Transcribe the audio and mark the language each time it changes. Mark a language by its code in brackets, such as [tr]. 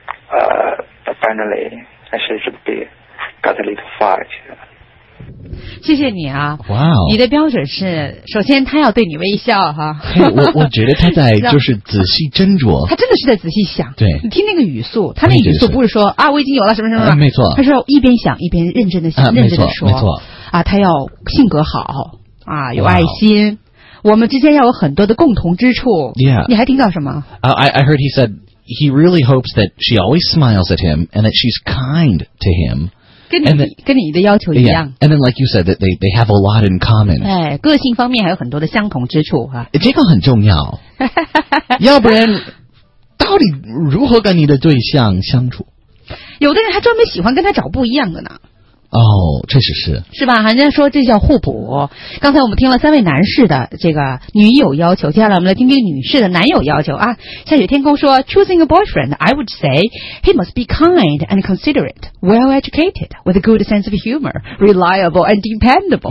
[en] But finally, actually should be got a little fight. [zh] 谢谢你啊！哇、wow ，你的标准是，首先他要对你微笑哈。 Hey, 我觉得他在就是仔细斟酌，他真的是在仔细想。对，你听那个语速，他那语速不是说啊我已经有了什么什么了、没错，他是一边想一边认真的认真的说，没错啊，他要性格好啊，有爱心。 Wow. 我们之间要有很多的共同之处。 [en] Yeah. [zh] 你还听到什么 [en] ？I heard he said he really hopes that she always smiles at him and that she's kind to him. [zh] 跟你的要求一样。 [en] Yeah, and then, like you said, that they have a lot in common. [zh] 哎，个性方面还有很多的相同之处哈、啊。这个很重要。要不然，到底如何跟你的对象相处？有的人还专门喜欢跟他找不一样的呢。哦，确实是。是吧？人家说这叫互补。刚才我们听了三位男士的这个女友要求，接下来我们来听听女士的男友要求啊。下雪天空说 [en] ，Choosing a boyfriend, I would say he must be kind and considerate, well educated, with a good sense of humor, reliable and dependable.